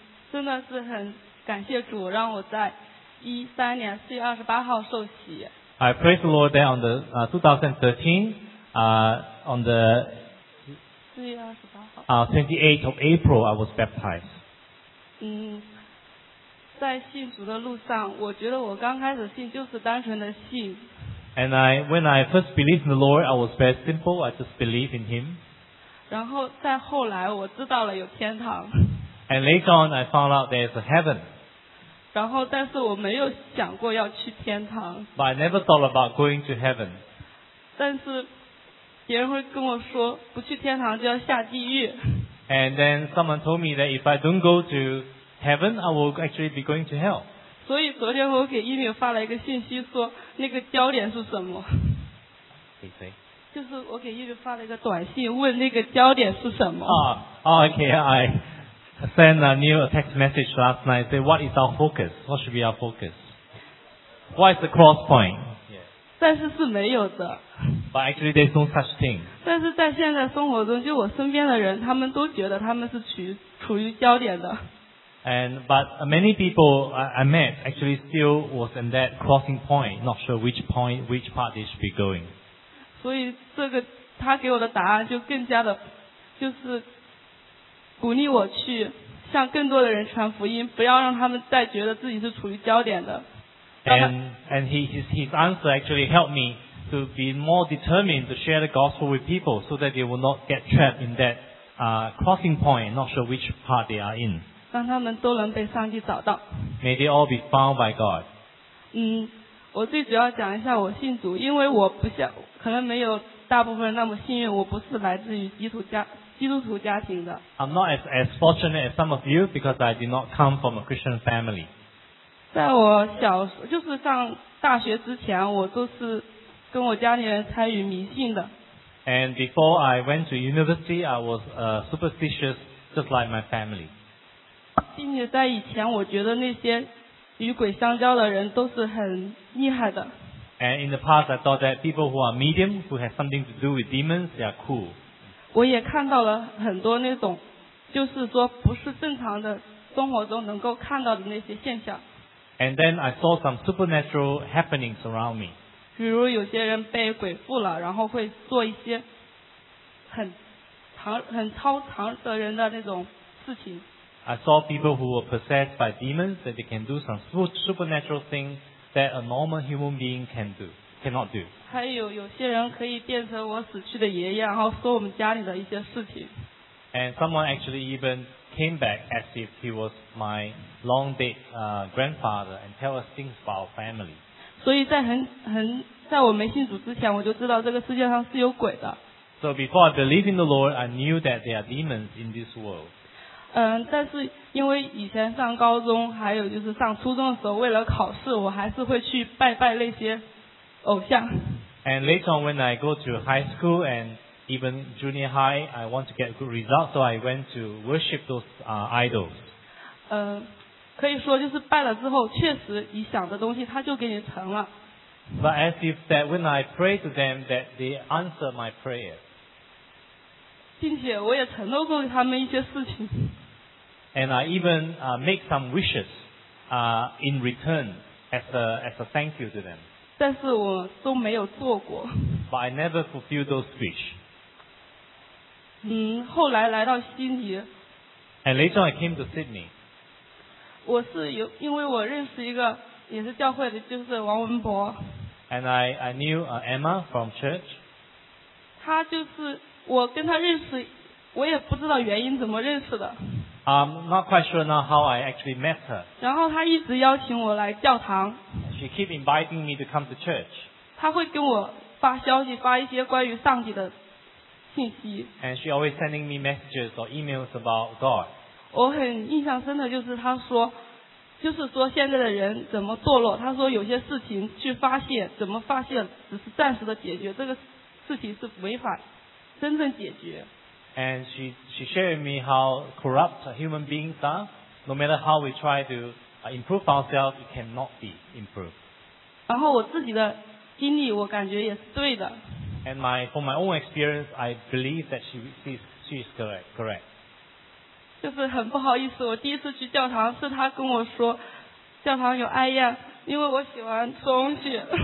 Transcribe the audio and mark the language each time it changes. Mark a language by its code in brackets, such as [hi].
[zh] 真的是很感谢主让我在13年4月28号受洗。 [en] I praise the Lord that on the 2013, on the [zh] 4月28号 [en] 28th of April, I was baptized. [zh] 在信主的路上，我觉得我刚开始信就是单纯的信。 [en] And when I first believed in the Lord, I was very simple. I just believed in Him. [zh] 然后再后来我知道了有天堂。 [en] And later on, I found out there is a heaven. [zh] 然后但是我没有想过要去天堂。 [en] But I never thought about going to heaven. [zh] 但是别人会跟我说不去天堂就要下地狱。 [en] And then someone told me that if I don't go to heaven, I will actually be going to hell. [zh] 所以昨天我给伊敏发了一个信息说那个焦点是什么，就是我给伊敏发了一个短信问那个焦点是什么。 [en] OK, I sent a new text message last night, say what is our focus, what should be our focus, what is the cross point, [zh] 但是是没有的。 [en] But actually there's no such thing. [zh] 但是在现在生活中就我身边的人他们都觉得他们是处于焦点的。 [en] But many people I met actually still was in that crossing point, not sure which point, which part they should be going. [zh] 所以这个他给我的答案就更加的，就是鼓励我去向更多的人传福音，不要让他们再觉得自己是处于焦点的。 [en] And his answer actually helped me to be more determined to share the gospel with people so that they will not get trapped in that crossing point, not sure which part they are in. [zh] 让他们都能被上帝找到。 [en] May they all be found by God. [zh] 我最主要讲一下我信主，因为我不想，可能没有大部分人那么幸运，我不是来自于基督徒家庭的。 [en] I'm not as fortunate as some of you because I did not come from a Christian family. [zh] 在我小就是上大学之前，我都是跟我家里人参与迷信的。 [en] And before I went to university, I was superstitious just like my family. [zh] 并且在以前我觉得那些与鬼相交的人都是很厉害的。 [en] And in the past, I thought that people who are medium, who have something to do with demons, they are cool. [zh] 我也看到了很多那种，就是说不是正常的生活中能够看到的那些现象。 [en] And then I saw some supernatural happenings around me. [zh] 比如有些人被鬼附了，然后会做一些很超常的人的那种事情。 [en] I saw people who were possessed by demons that they can do some supernatural things that a normal human being can do, cannot do. [zh] 还有有些人可以变成我死去的爷爷，然后说我们家里的一些事情。 [en] And someone actually even came back as if he was my long dead grandfather and tell us things about our family. [zh] 所以在在我没信主之前，我就知道这个世界上是有鬼的。 [en] So before I believed in the Lord, I knew that there are demons in this world. [zh] 嗯，但是因为以前上高中，还有就是上初中的时候，为了考试，我还是会去拜拜那些偶像。 [en] And later on, when I go to high school and even junior high, I want to get good results, so I went to worship those idols. [zh] 嗯，可以说就是拜了之后，确实你想的东西，它就给你成了。 [en] But as if that when I pray to them, that they answer my prayer. [zh] 并且我也承诺过他们一些事情。 [en] And I even make some wishes in return as a thank you to them. [zh] 但是我都没有做过。 [en] But I never fulfill those wish. [zh] 嗯，后来来到悉尼。 [en] And later I came to Sydney. [zh] 我是有，因为我认识一个也是教会的，就是王文博。 [en] And I knew Emma from church. [zh] 他就是我跟他认识，我也不知道原因怎么认识的。 [en] I'm not quite sure now how I actually met her. [zh] 然后他一直邀请我来教堂。 [en] She keep inviting me to come to church. [zh] 他会跟我发消息，发一些关于上帝的信息。 [en] And she always sending me messages or emails about God. [zh] 我很印象深的就是他说，就是说现在的人怎么堕落，他说有些事情去发泄，怎么发泄只是暂时的解决，这个事情是违法真正解决。 [en] And she shared with me how corrupt human beings are. No matter how we try to improve ourselves, it cannot be improved. [zh] 然后我自己的经历，我感觉也是对的。 [en] And from my own experience, I believe that she is correct. [zh] 就是很不好意思，我第一次去教堂，是他跟我说教堂有艾叶，因为我喜欢吃东西。